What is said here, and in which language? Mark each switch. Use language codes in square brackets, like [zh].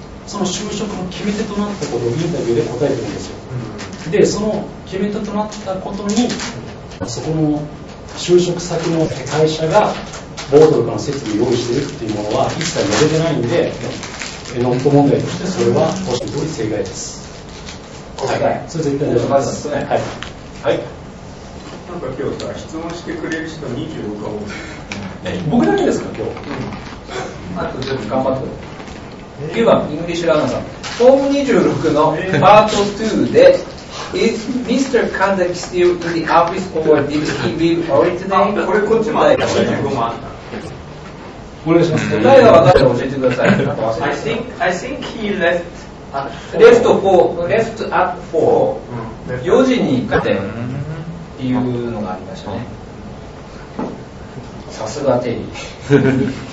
[ja] その就職の決め手となったことをインタビューで答えてるんですよ、うん、でその決め手となったことに、そこの就職先の会社がボードとかの設備を用意してるっていうものは一切載れてないんで、うん、ノット問題としてそれは欲しい通り正解です。はい、それ絶対に大丈夫です、ね、はい、はい、なんか今日さ質問してくれる人25か多い、僕だけですか今日、うん、あと全部頑張って9番、イングリッシュラーナーさん。フォーム26のパート2で、 [en] Is Mr. Kandek still in the office or did he leave originally? [ja] これこっちもあった。25万あった。お願いします。答えが分かったら教えてください。 [en] I think he left at 4. Left at 4. [ja] 4時に行かせるっていうのがありましたね。さすがテリー。